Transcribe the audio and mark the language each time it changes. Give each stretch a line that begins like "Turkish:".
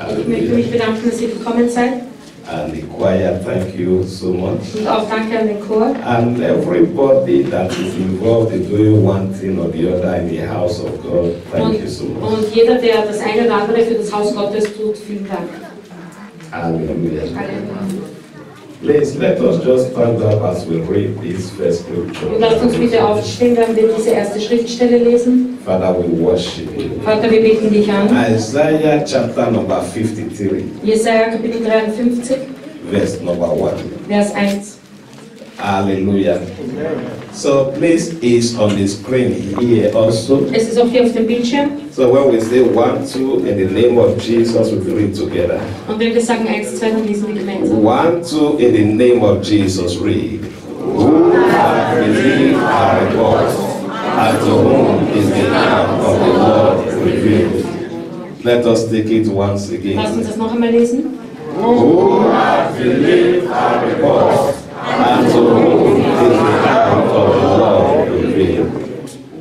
German: Ich möchte mich bedanken, dass Sie gekommen seid.
English: And the choir, thank you so much.
German: Und auch danke an den Chor.
English: And everybody that is involved in doing one thing or the other in the house of God, thank you so much.
German: Und jeder, der das eine oder andere für das Haus Gottes tut, vielen Dank.
English: Hallelujah. Please let us just stand up as we read this first scripture.
German: Und lasst uns bitte aufstehen, wenn wir diese erste Schriftstelle lesen.
English: Father, we worship you.
German: Vater, wir beten dich an.
English: Isaiah chapter number 53.
German: Jesaja Kapitel 53.
English: Verse number 1.
German: Vers 1.
English: Hallelujah. So please, it's on the screen here also.
German: Es ist auch hier auf dem Bildschirm.
English: So when we say 1, 2, in the name of Jesus, we read together.
German: Und wenn wir sagen 1, 2, dann lesen wir gemeinsam.
English: 1, 2, in the name of Jesus, read. Who hath believed our God, and to whom is the arm of the Lord revealed? Let us take it once again.
German: Lass uns das noch einmal lesen.
English: Who hath believed our God, and to whom is the arm of the Lord revealed?